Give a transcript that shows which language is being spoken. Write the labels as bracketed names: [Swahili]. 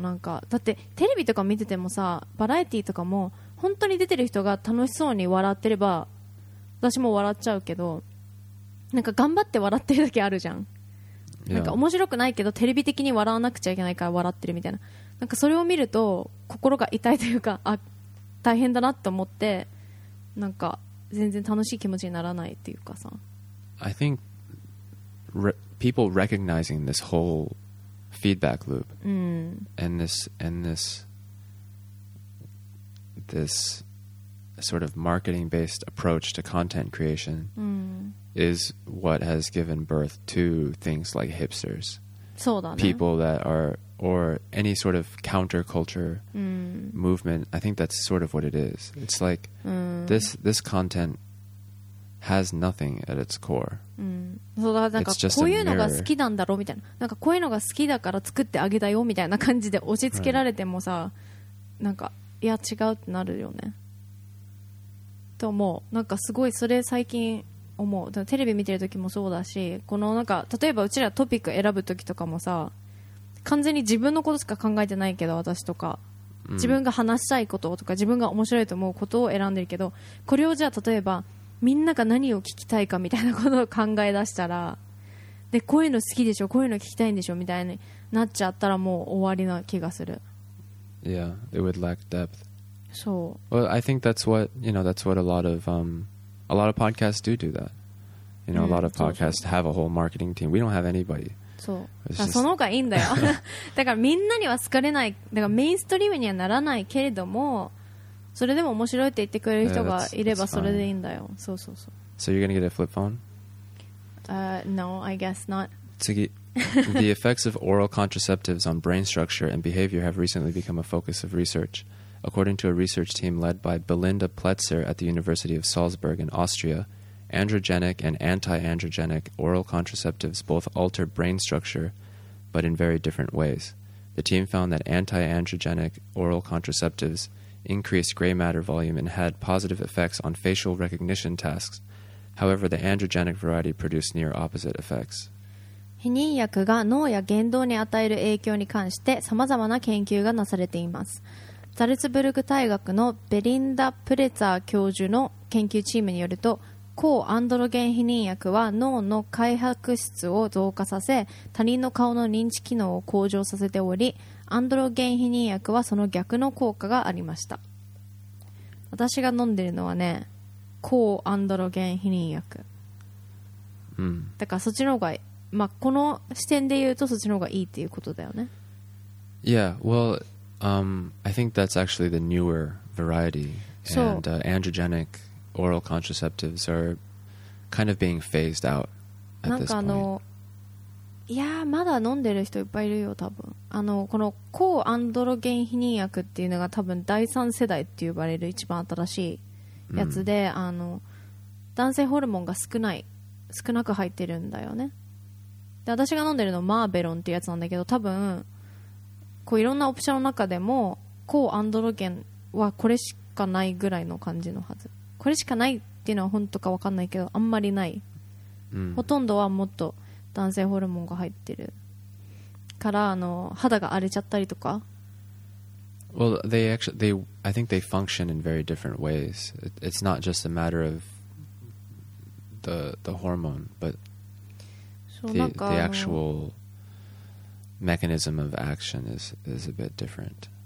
[Japanese] なんかだってテレビとか見ててもさ、バラエティとかも本当に出てる人が楽しそうに笑ってれば私も笑っちゃうけど、なんか頑張って笑ってるだけあるじゃん。なんか面白くないけどテレビ的に笑わなくちゃいけないから笑ってるみたいな、なんかそれを見ると心が痛いというか、あ、大変だなと思って、なんか全然楽しい気持ちにならないっていうかさ。 [English] I think people recognizing this whole feedback loop and this sort of marketing based approach to content creation is what has given birth to things like hipsters. [Japanese] そうだね。 [English] People that are or any sort of counterculture movement, I think that's sort of what it is. It's like this content has nothing at its core. [Japanese] そうだ、なんかこういうのが好きなんだろうみたいな、なんかこういうのが好きだから作ってあげたよみたいな感じで押し付けられてもさ、なんかいや違うってなるよねと思う。なんかすごいそれ最近思う。テレビ見てる時もそうだし、このなんか例えばうちらトピック選ぶ時とかもさ、完全に自分のことしか考えてないけど、私とか自分が話したいこととか自分が面白いと思うことを選んでるけど、これをじゃあ例えばみんなが何を聞きたいかみたいなことを考え出したら、でこういうの好きでしょ、こういうの聞きたいんでしょみたいになっちゃったらもう終わりな気がする。 [English] Yeah, it would lack depth. [Japanese] そう、 [English] Well, I think that's what, you know, that's what a lot of podcasts do that. You know, a lot of podcasts have a whole marketing team. We don't have anybody. [Japanese] そう。あ、その方がいいんだよ。だからみんなには好かれない、だからメインストリームにはならないけれども、それでも面白いって言ってくれる人がいればそれでいいんだよ。そうそうそう。 [English] So you're gonna get a flip phone? No, I guess not. [Japanese] 次。 [English] The effects of oral contraceptives on brain structure and behavior have recently become a focus of research. According to a research team led by Belinda Pletzer at the University of Salzburg in Austria, androgenic and anti-androgenic oral contraceptives both alter brain structure, but in very different ways. The team found that anti-androgenic oral contraceptives increased gray matter volume and had positive effects on facial recognition tasks. However, the androgenic variety produced near opposite effects. [Japanese] 避妊薬が脳や言動に与える影響に関して様々な研究がなされています。ザルツブルク大学のベリンダ・プレツァー教授の研究チームによると、抗アンドロゲン避妊薬は脳の灰白質を増加させ、他人の顔の認知機能を向上させており、アンドロゲン避妊薬はその逆の効果がありました。私が飲んでるのはね、抗アンドロゲン避妊薬、うん、だからそっちの方がいい。まあ、この視点で言うとそっちの方がいいっていうことだよね。 [English] Yeah, well, I think that's actually the newer variety. And、androgenic oral contraceptives are kind of being phased out at this point. [Japanese] なんかいやまだ飲んでる人いっぱいいるよ多分。この抗アンドロゲン避妊薬っていうのが多分第三世代って呼ばれる一番新しいやつで、mm. 男性ホルモンが少なく入ってるんだよね。私が飲んでるのはマーベロンっていうやつなんだけど、多分こういろんなオプションの中でも抗アンドロゲンはこれしかないぐらいの感じのはず。これしかないっていうのは本当か分かんないけど、あんまりない、うん、ほとんどはもっと男性ホルモンが入ってるから、肌が荒れちゃったりとか。 [English] Well, they actually, I think they function in very different ways. It's not just a matter of the hormone, butThe actual mechanism of action is a bit different.